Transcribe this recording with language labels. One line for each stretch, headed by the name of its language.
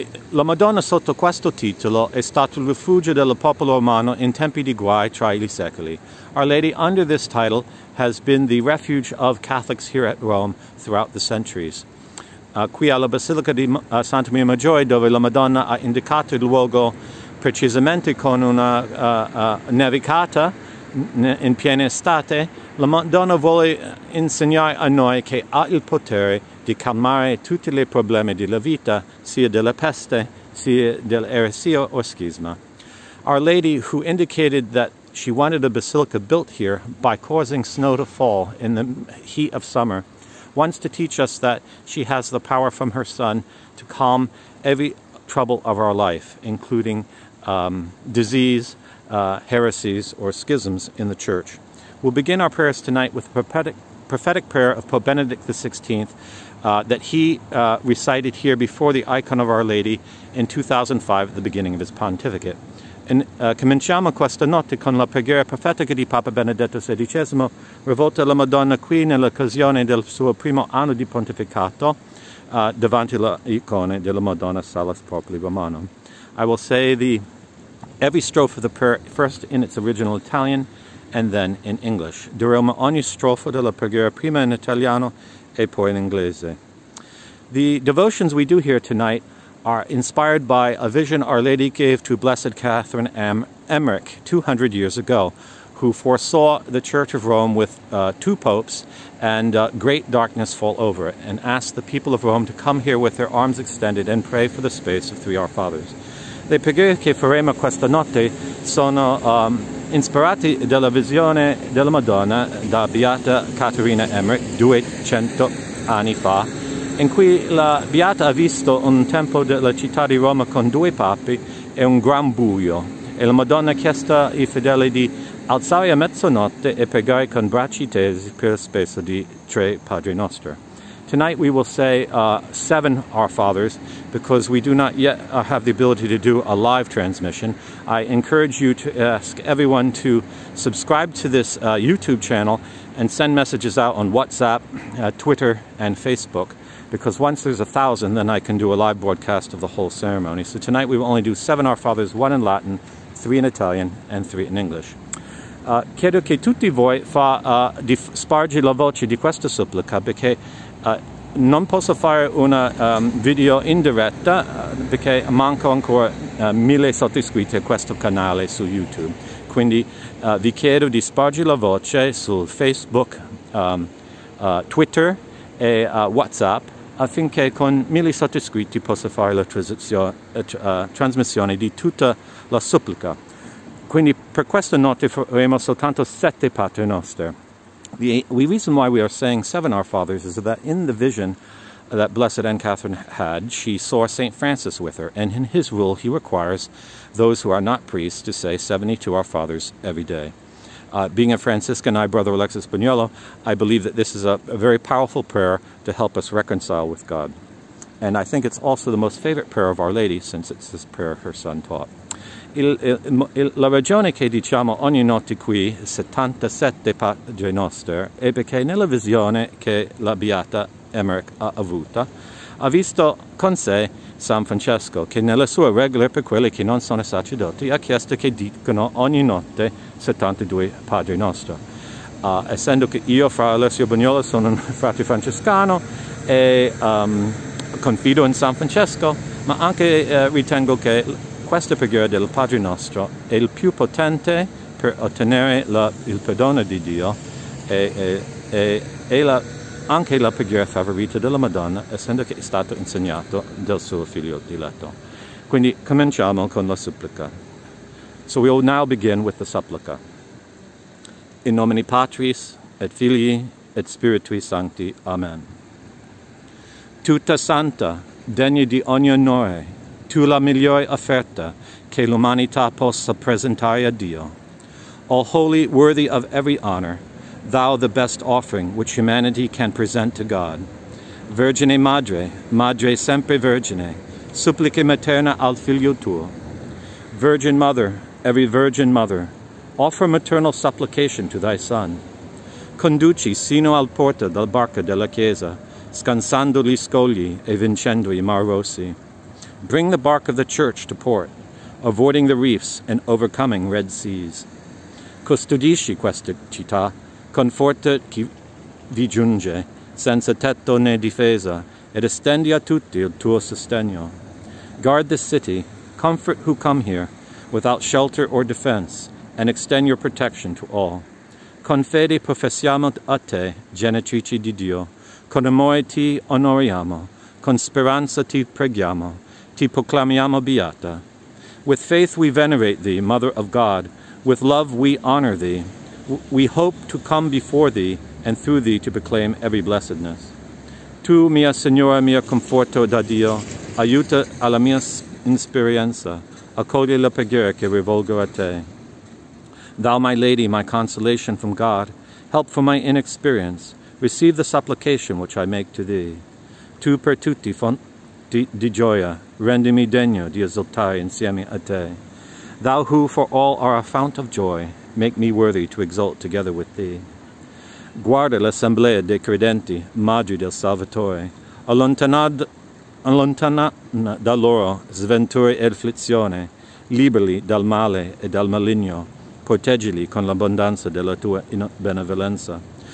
Italian: La Madonna sotto questo titolo è stato il rifugio del popolo romano in tempi di guai tra I secoli.
English: Our Lady under this title has been the refuge of Catholics here at Rome throughout the centuries.
Italian: Qui alla Basilica di Santa Maria Maggiore, dove la Madonna ha indicato il luogo precisamente con una nevicata in piena estate, la Madonna vuole insegnare a noi che ha il potere di calmare tutti I problemi della vita, sia della peste, sia dell'eresia o schisma.
English: Our Lady, who indicated that she wanted a basilica built here by causing snow to fall in the heat of summer, wants to teach us that she has the power from her Son to calm every trouble of our life, including disease, heresies, or schisms in the Church. We'll begin our prayers tonight with a prophetic prayer of Pope Benedict XVI that he recited here before the icon of Our Lady in 2005 at the beginning of his pontificate.
Italian: And cominciamo questa notte con la preghiera profetica di Papa Benedetto XVI, rivolta alla Madonna qui nell'occasione del suo primo anno di pontificato davanti alla icona della Madonna Salus Populi Romano.
English: I will say every strophe of the prayer first in its original Italian and then in English.
Italian: Diremo ogni strofa della preghiera prima in italiano e poi in inglese.
English: The devotions we do here tonight are inspired by a vision Our Lady gave to Blessed Catherine Emmerich 200 years ago, who foresaw the Church of Rome with two popes and great darkness fall over it, and asked the people of Rome to come here with their arms extended and pray for the space of three Our Fathers.
Italian: Le preghiere che faremo questa notte sono ispirate dalla visione della Madonna da Beata Caterina Emmerich 200 anni fa, in cui la Beata ha visto un tempo della città di Roma con due papi e un gran buio, e la Madonna ha chiesto ai fedeli di alzare a mezzanotte e pregare con bracci tesi per spesa di tre Padre Nostro.
English: Tonight we will say seven Our Fathers, because we do not yet have the ability to do a live transmission. I encourage you to ask everyone to subscribe to this YouTube channel and send messages out on WhatsApp, Twitter, and Facebook, because once there's 1,000, then I can do a live broadcast of the whole ceremony. So tonight we will only do seven Our Fathers, one in Latin, three in Italian, and three in English.
Italian: Chiedo che tutti voi fa di spargi la voce di questa supplica, perché non posso fare una video in diretta, perché manco ancora 1,000 sottoscritti a questo canale su YouTube. Quindi vi chiedo di spargi la voce su Facebook, Twitter e WhatsApp, affinché con 1,000 sottoscritti possa fare la trasmissione di tutta la supplica. Quindi per questa notte faremo soltanto 7 Padre Nostri.
English: The reason why we are saying seven Our Fathers is that in the vision that Blessed Anne Catherine had, she saw St. Francis with her, and in his rule he requires those who are not priests to say 72 Our Fathers every day. Being a Franciscan, I, Brother Alexis Bagnolo, I believe that this is a very powerful prayer to help us reconcile with God. And I think it's also the most favorite prayer of Our Lady, since it's this prayer her Son taught.
Italian: La ragione che diciamo ogni notte qui 77 Padre Nostri è perché nella visione che la Beata Emmerich ha avuta, ha visto con sé San Francesco, che nella sua regola per quelli che non sono sacerdoti ha chiesto che dicano ogni notte 72 Padre Nostri. Essendo che io, fra Alessio Bagnolo, sono un frate francescano e confido in San Francesco, ma anche ritengo che questa preghiera del Padre Nostro è il più potente per ottenere il perdono di Dio e anche la preghiera favorita della Madonna, essendo che è stato insegnato dal suo figlio diletto. Quindi cominciamo con la supplica.
English: So we will now begin with the supplica.
Latin: In nomine Patris, et Filii, et Spiritui Sancti. Amen.
Italian: Tutta santa, degna di ogni onore, tu la migliore offerta che l'umanità possa presentare a Dio.
English: O holy, worthy of every honor, thou the best offering which humanity can present to God.
Italian: Vergine Madre, Madre sempre Vergine, supplica materna al Figlio tuo.
English: Virgin Mother, every Virgin Mother, offer maternal supplication to thy Son.
Italian: Conduci sino al porta della barca della Chiesa, scansando gli scogli e vincendo I mar rossi.
English: Bring the bark of the Church to port, avoiding the reefs and overcoming red seas.
Italian: Custodisci questa città, conforta chi vi giunge, senza tetto né difesa, ed estendi a tutti il tuo sostegno.
English: Guard this city, comfort who come here, without shelter or defense, and extend your protection to all.
Italian: Con fede professiamo a te, genitrice di Dio, con amore ti onoriamo, con speranza ti preghiamo, ti proclamiamo beata.
English: With faith we venerate thee, Mother of God, with love we honor thee, we hope to come before thee and through thee to proclaim every blessedness.
Italian: Tu, mia Signora, mia conforto da Dio, aiuta alla mia esperienza, accogli la preghiera che rivolgo a te.
English: Thou, my Lady, my consolation from God, help for my inexperience, receive the supplication which I make to thee.
Italian: Tu per tutti fonti di gioia, rendimi degno di esultare insieme a te.
English: Thou who for all are a fount of joy, make me worthy to exult together with thee.
Italian: Guarda l'assemblea dei credenti, Madre del Salvatore, allontana da loro sventure e afflizione, liberali dal male e dal maligno, proteggili con l'abbondanza della tua benevolenza.